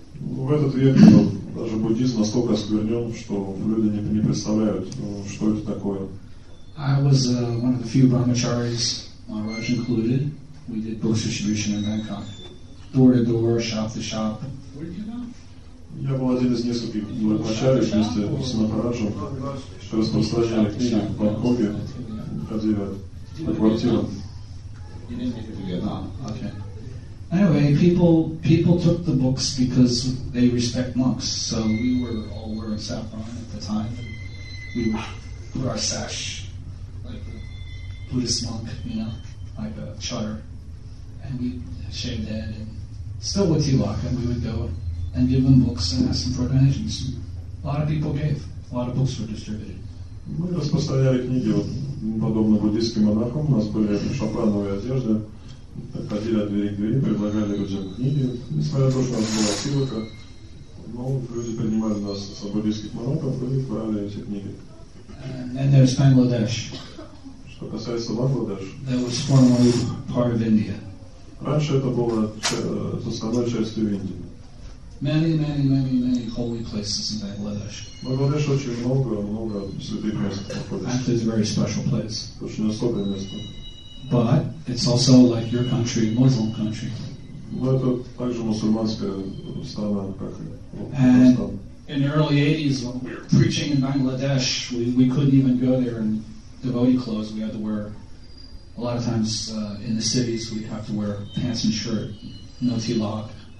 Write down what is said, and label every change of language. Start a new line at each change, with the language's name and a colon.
Russian: В этот век даже буддизм настолько осквернен, что люди не представляют, что это такое.
English: I was one of the few brahmacharis, Maharaj included. We did book distribution in Bangkok, door to door, shop to shop. Where did you go?
Russian: Я был один из нескольких брахмачари вместе с Махараджем, что распространяли книги в Бангкоке, ходили по квартирам.
English: Okay. Anyway, people took the books because they respect monks. So we were all wearing saffron at the time. We put our sash like a Buddhist monk, you know, like a charter, and we shaved head and still with tilak, and we would go and give them books and ask them for donations. A lot of people gave. A lot of books were distributed.
Russian: Мы распространяли книги, подобно буддийским монахам. У нас были шафрановые одежды. Ходили от двери к двери, предлагали людям книги. Несмотря на то, что у нас была силка, но люди принимали нас с буддийских монахов и брали эти книги.
English: And there's Bangladesh.
Russian: Что касается Бангладеш.
English: That was formerly part of India.
Russian: Раньше это было составной частью Индии.
English: Many, many, many, many holy places in Bangladesh. Bangladesh has very
Russian: много святых мест.
English: Actually, it's a very special place.
Russian: Очень особое место.
English: But it's also like your country, Muslim country.
Russian: Но это также мусульманская страна, как.
English: And in the early 80s, when we were preaching in Bangladesh, we couldn't even go there in devotee clothes. We had to wear, a lot of times in the cities, we'd have to wear pants and shirt, no tilak.